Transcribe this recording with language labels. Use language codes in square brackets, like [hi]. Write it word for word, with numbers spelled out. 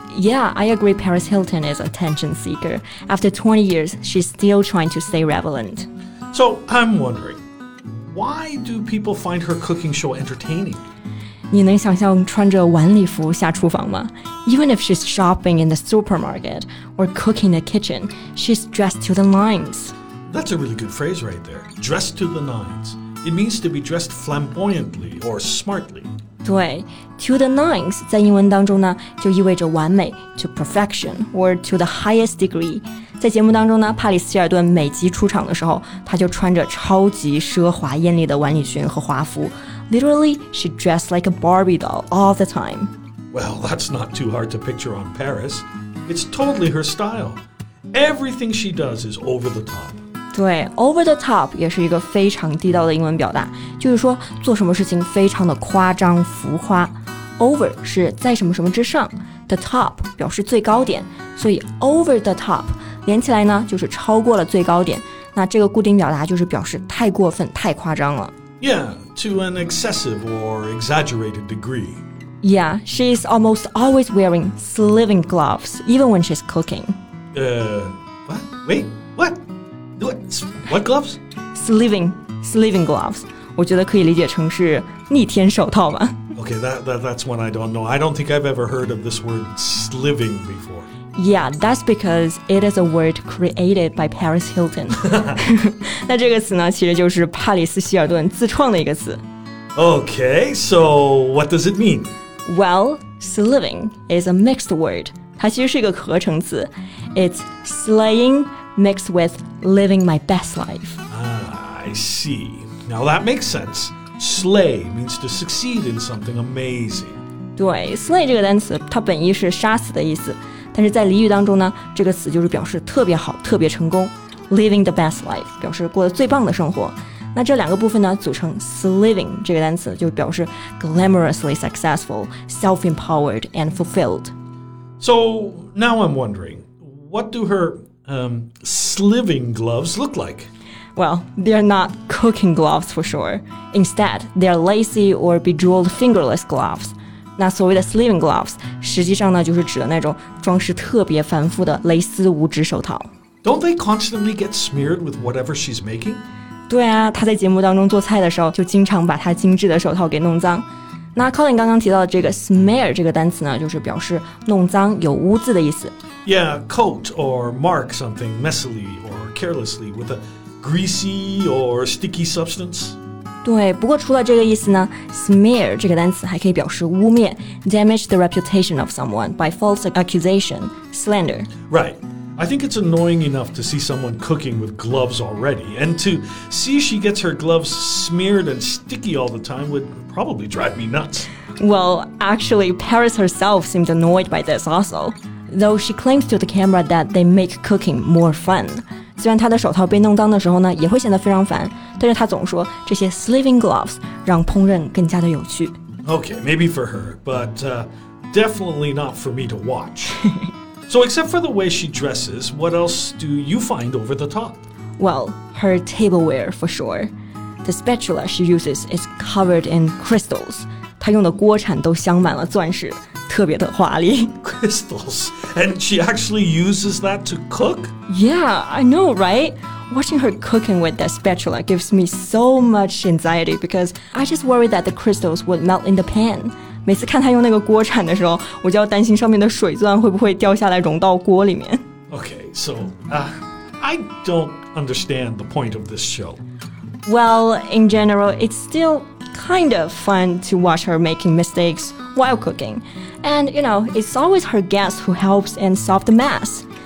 [en] Yeah, I agree Paris Hilton is an attention seeker. After twenty years, she's still trying to stay relevant. So, I'm wondering, why do people find her cooking show entertaining? [zh] 你能想象穿着晚礼服下厨房吗 [en] Even if she's shopping in the supermarket or cooking in the kitchen, she's dressed to the nines. That's a really good phrase right there, dressed to the nines. It means to be dressed flamboyantly or smartly. [zh] 对 to the nines 在英文当中呢就意味着完美 [en] to perfection or to the highest degree [zh] 在节目当中呢帕里斯希尔顿每集出场的时候她就穿着超级奢华艳丽的晚礼裙和华服 [en] Literally, she dressed like a Barbie doll all the time Well, that's not too hard to picture on Paris It's totally her style Everything she does is over the top [zh] 对 ，over the top 也是一个非常地道的英文表达，就是说做什么事情非常的夸张浮夸。 Over 是在什么什么之上 ，the top 表示最高点，所以 over the top 连起来呢就是超过了最高点。那这个固定表达就是表示太过分、太夸张了。 [en] Yeah, to an excessive or exaggerated degree. Yeah, she is almost always wearing sleeving gloves, even when she's cooking. Uh, what? Wait, what? What? What gloves? Sleeving, sleeving gloves. [zh] 我觉得可以理解成是逆天手套吧。 [en] Okay, that, that, that's one I don't know. I don't think I've ever heard of this word sleeving before. Yeah, that's because it is a word created by Paris Hilton. [zh] 那这个词呢，其实就是帕里斯希尔顿自创的一个词。 [en] Okay, so what does it mean? Well, sleeving is a mixed word. [zh] 它其实是一个合成词。 [en] It's slaying mixed with living my best life. Ah, I see. Now that makes sense. Slay means to succeed in something amazing. [zh] 对 slay 这个单词它本意是杀死的意思，但是在俚语当中呢，这个词就是表示特别好特别成功。 Living the best life 表示过得最棒的生活。那这两个部分呢组成 sliving 这个单词，就表示 [en] glamorously successful, self-empowered and fulfilled. So now I'm wondering, what do her um, sliving gloves look like? Well, they're not cooking gloves for sure. Instead, they're lacy or bejeweled fingerless gloves. [zh] 那所谓的 sleeving gloves 实际上呢就是指的那种装饰特别繁复的蕾丝五指手套。 [en] Don't they constantly get smeared with whatever she's making? [zh] 对啊，她在节目当中做菜的时候就经常把她精致的手套给弄脏。那 Colin 刚刚提到的这个 smear 这个单词呢，就是表示弄脏有污渍的意思。 [en] Yeah, coat or mark something messily or carelessly with a... Greasy or sticky substance. [zh] 对，不过除了这个意思呢 ，smear 这个单词还可以表示污蔑 ， [en] damage the reputation of someone by false accusation, slander. Right. I think it's annoying enough to see someone cooking with gloves already, and to see she gets her gloves smeared and sticky all the time would probably drive me nuts. Well, actually, Paris herself seemed annoyed by this also, though she claims to the camera that they make cooking more fun. [zh] 虽然她的手套被弄脏的时候呢，也会显得非常烦，但是她总说这些 sleeving gloves 让烹饪更加的有趣。 [en] Okay, maybe for her, but、uh, definitely not for me to watch. So except for the way she dresses, what else do you find over the top? Well, her tableware for sure. The spatula she uses is covered in crystals. [zh] 她用的锅铲都镶满了钻石，特别的华丽。 [en] Crystals, and she actually uses that to cook? Yeah, I know, right? Watching her cooking with that spatula gives me so much anxiety because I just worry that the crystals would melt in the pan. [zh] 每次看她用那个锅铲的时候，我就要担心上面的水钻会不会掉下来融到锅里面。 [en] Okay, so, uh, I don't understand the point of this show. Well, in general, it's still kind of fun to watch her making mistakes while cooking. And, you know, it's always her guest who helps and solves the mess.